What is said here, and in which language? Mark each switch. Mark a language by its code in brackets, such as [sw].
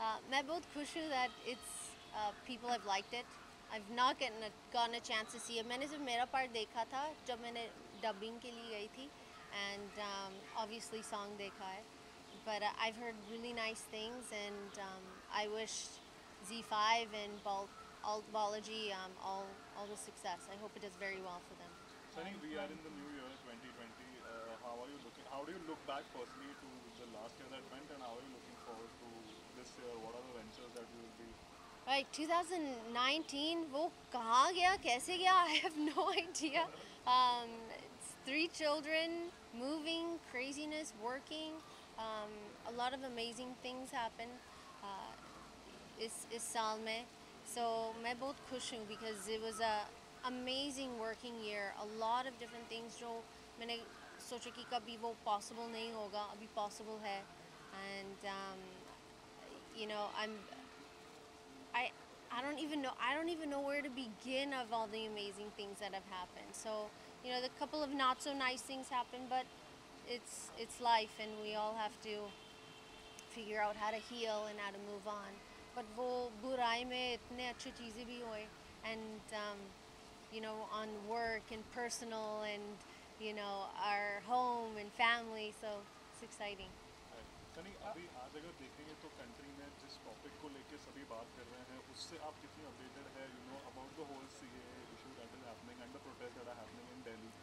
[hi] मैं बहुत खुश हूँ [en] That it's people have liked it. I've not gotten a chance to see it. [hi] मैंने सिर्फ मेरा पार्ट देखा था जब मैंने डबिंग के लिए गई थी, [en] And obviously song देखा है, but I've heard really nice things, and I wish Z5 and Bulk Altology all the success. I hope it does very well for them. Sunny, we are in the new year 2020. How are you looking? How do you look back personally to the last year that went, and how are you looking forward to this year? What are the ventures that you will be? Right, 2019. [hi] Wo kahan gaya, kaise gaya? [en] I have no idea. It's 3 children, moving, craziness, working. A lot of amazing things happen. [hi] Is saal mein. [en] So [hi] मैं बहुत खुश हूँ, [en] because it was a amazing working year. A lot of different things [hi] जो मैंने सोचा कि कभी वो possible नहीं होगा, [en] अभी possible है. And you know, I don't even know where to begin of all the amazing things that have happened. So, you know, the couple of not so nice things happened, but it's life, and we all have to figure out how to heal and how to move on. But [hi] वो बुराई में इतने अच्छे चीज़ें भी हुए, [en] and you know, on work and personal, and you know, our home and family, so it's exciting. [hi] कनी, अभी आज अगर देखेंगे तो कंट्री में जिस टॉपिक को लेके सभी बात कर रहे हैं, उससे आप कितनी अपडेटेड है, [en] you know, about the whole CA issue that is happening and the protests that are happening in Delhi.